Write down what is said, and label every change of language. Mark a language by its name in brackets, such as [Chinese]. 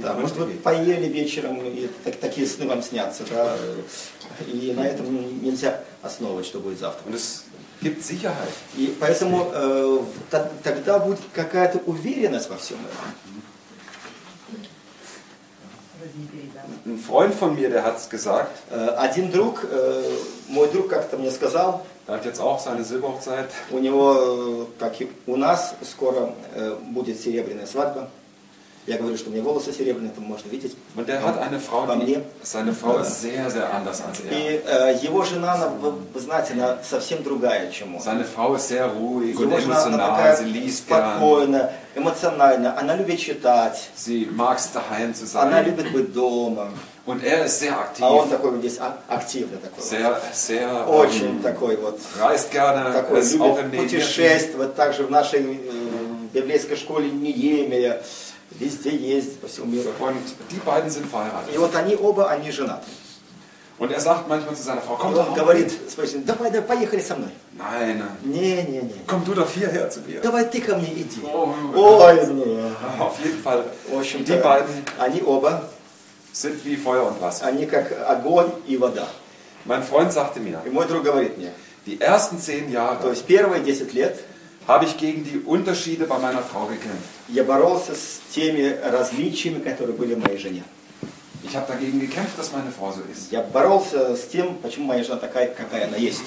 [German] Gründe geht. [Russian] Вы поели вечером и такие сны вам снятся, да? И на этом нельзя основывать, что будет завтра. [German] Und es gibt Sicherheit. [Russian] И поэтому тогда будет какая-то уверенность во всем этом. [German] Ein Freund von mir, der hat's gesagt. [Russian] Один друг, мой друг как-то мне сказал. [German] Der hat jetzt auch seine Silberhochzeit. [Russian] У него, как и у нас, скоро будет серебряная свадьба. Я говорю, что у меня волосы серебряные, там можно видеть. [German] Und der hat eine Frau, die seine Frau sehr, sehr anders als er. [Russian] И его жена, она, вы знаете, она совсем другая, чем он. [German] Seine Frau ist sehr ruhig und emotional. Sie liest gern. [Russian] Спокойно, эмоционально. Она любит читать. [German] Sie mag es daheim zu sein. [Russian] Она любит быть дома. [German] Und er ist sehr aktiv. [Russian] А он такой здесь активный такой. [German] Sehr, sehr. [Russian] Очень такой вот. [German] Reist gerne. [Russian] Такой любит путешествовать. Также в нашей библейской школе Неемия. Везде есть, по всему миру. [German] Und die beiden sind verheiratet. [Russian] И вот они оба, они женаты. [German] Und er sagt manchmal zu seiner Frau, komm doch. [Russian] Он говорит, спросит, давай, давай, поехали со мной. [German] Nein. [Russian] Не-не-не. [German] Komm du doch hierher zu mir. [Russian] Давай ты ко мне иди. Ой, не. [German] Auf jeden Fall. [Russian] В общем, [German] die beiden, [Russian] они оба, [German] sind wie Feuer und Wasser. [Russian] Они как огонь и вода. [German] Mein Freund sagte mir, [Russian] и мой друг говорит мне, [German] die ersten 10 Jahre, [Russian] то есть первые 10 лет, [German] habe ich gegen die Unterschiede bei meiner Frau gekämpft. [Russian] Я боролся с теми различиями, которые были в моей жене. [German] Ich habe dagegen gekämpft, dass meine Frau so ist. [Russian] Я боролся с тем, почему моя жена такая, какая она есть.